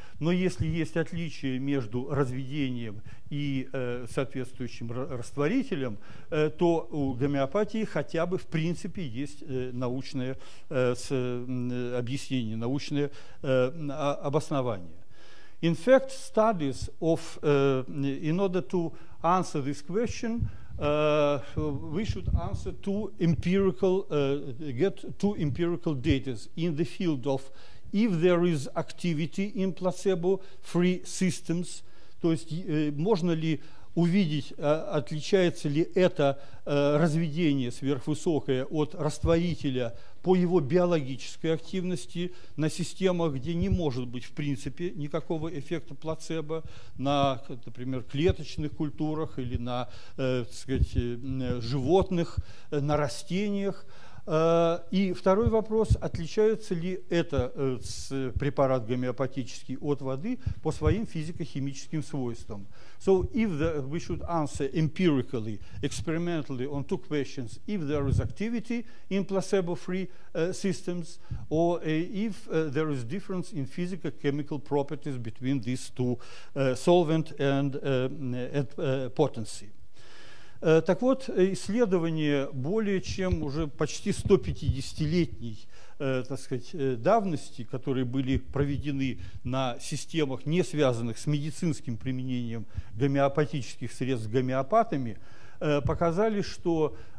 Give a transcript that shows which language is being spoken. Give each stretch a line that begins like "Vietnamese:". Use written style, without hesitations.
Russian: Но если есть отличие между разведением и соответствующим растворителем, то у гомеопатии хотя бы в принципе есть научное объяснение, научное обоснование.
English: In fact, studies of in order to answer this question, we should answer two empirical data in the field of if there is activity in placebo-free systems,
Russian: то есть можно ли увидеть, отличается ли это разведение сверхвысокое от растворителя по его биологической активности на системах, где не может быть в принципе никакого эффекта плацебо, на, например, клеточных культурах или на, так сказать, животных, на растениях. И второй вопрос, отличается ли этот препарат гомеопатический от воды по своим физико-химическим свойствам.
English: So if we should answer empirically, experimentally on two questions, if there is activity in placebo-free systems or if there is difference in physico-chemical properties between these two solvent and potency.
Russian: Так вот, исследование более чем уже почти 150-летней, так сказать, давности, которые были проведены на системах, не связанных с медицинским применением гомеопатических средств гомеопатами, показали, что